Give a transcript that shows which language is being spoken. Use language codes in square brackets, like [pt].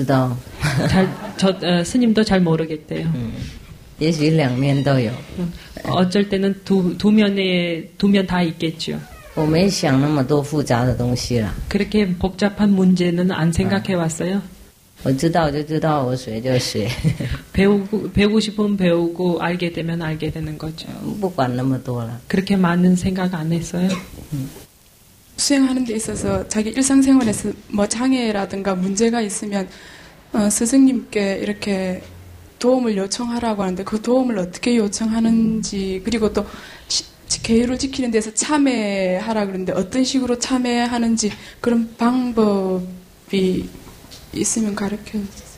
[zh] 他说师父会讲六个语言呢，还懂很多佛经典的东西。那这是因为智慧而来，还是自己本身要学习才能得到这些？我也不知道。他，这，呃， [ko] 스님도잘모르겠대요。 [zh] 也许两面都有。 [ko] 어쩔 때는 두 면 다 있겠죠. [zh] 我没想那么多复杂的东西了。 [ko] 그렇게 복잡한 문제는 안 생각해 왔어요. [zh] 我知道就知道，我学就学。 [ko] 배우고 싶으면 배우고 알게 되면 알게 되는 거죠. [zh] 不管那么多了。 [ko] 그렇게 많은 생각 안 했어요. 수행하는 데 있어서 자기 일상생활에서 뭐 장애라든가 문제가 있으면 스승님께 이렇게 도움을 요청하라고 하는데 그 도움을 어떻게 요청하는지 그리고 또 계율을 지키는 데서 참회하라 그러는데 어떤 식으로 참회하는지 그런 방법이 있으면 가르쳐주세요.